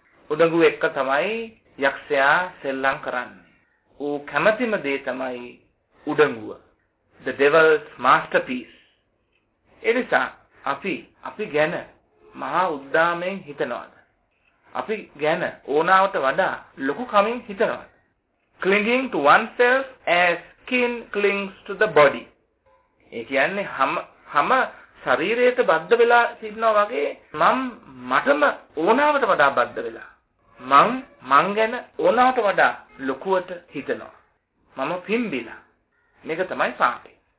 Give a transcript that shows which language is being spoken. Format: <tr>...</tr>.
<si>උඩඟුව එක්ක තමයි යක්ෂයා සෙල්ලම් කරන්නේ. ඌ කැමැතිම දේ තමයි උඩඟුව.</si> <en>The devil's masterpiece.</en> <si>එනිසා අපි ගැන මහා උද්දාමයෙන් හිතනවාද? අපි ගැන ඕනාවට වඩා ලොකු කමින් හිතනවාද?</si> <en>Clinging to oneself as skin clings to the body.</en> <si>ඒ කියන්නේ හැම ශරීරයට බද්ධ වෙලා සිටිනවා වගේ මටම ඕනාවට වඩා බද්ධ වෙලා. මං ගැන ඕනාවට වඩා ලොකුවට හිතනවා. මම පිම්බිලා. මේක තමයි පාපය.</si>